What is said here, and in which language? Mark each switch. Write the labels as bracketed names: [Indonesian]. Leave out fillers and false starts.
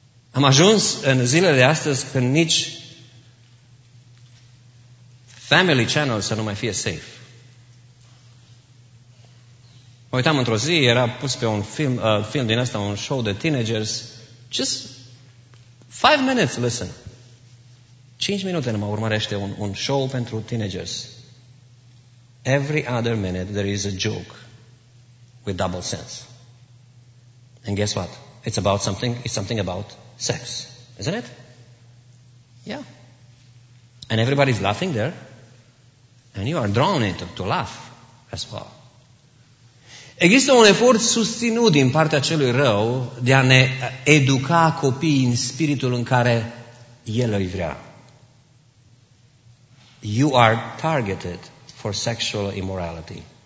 [Romanian] Am ajuns în zilele de astăzi când nici Family Channel să nu mai fie safe. Mă uitam într-o zi, era pus pe un film din ăsta, un show de teenagers. [English] Just 5 minutes, listen. [Romanian] 5 minute numai urmărește un show pentru teenagers. [English] Every other minute there is a joke with double sense. And guess what? It's about something, it's something about sex. Isn't it? Yeah. And everybody's laughing there. And you are drawn into to laugh as well. [Romanian] Există un efort susținut din partea celui rău de a ne educa copiii în spiritul în care el îi vrea. [English] You are targeted for sexual immorality.